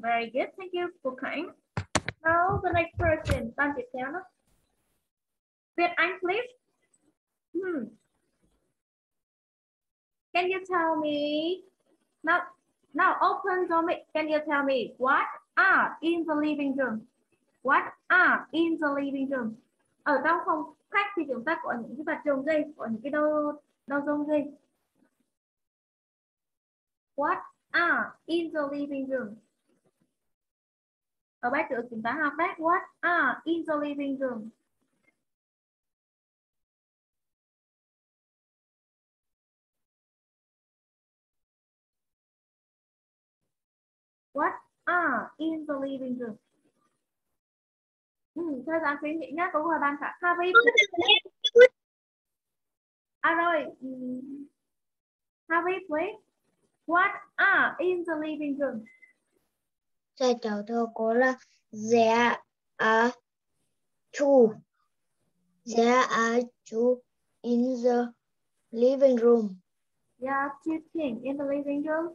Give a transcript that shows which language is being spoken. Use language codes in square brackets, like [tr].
[en] Very good. Thank you, Phu Khánh. Now, the next person. [vi] Bạn tiếp theo nào? [en] Việt Anh, please. Can you tell me? Now, open the mic. Can you tell me what are in the living room? What are in the living room? [vi] Ở trong phòng khách thì chúng ta có những cái vật dụng gì? Có những cái đồ dùng gì? [en] What are in the living room? [vi] Ở bài trước chúng ta học đấy. [en] What are in the living room? What are in the living room? [vi] Thời gian suy nghĩ nhé. Câu hỏi bạn khác. Harry. À rồi. Harry, please. [en] What are in the living room? [vi] Trời cháu thơ có là [en] there are two. There are two in the living room. There are two things in the living room.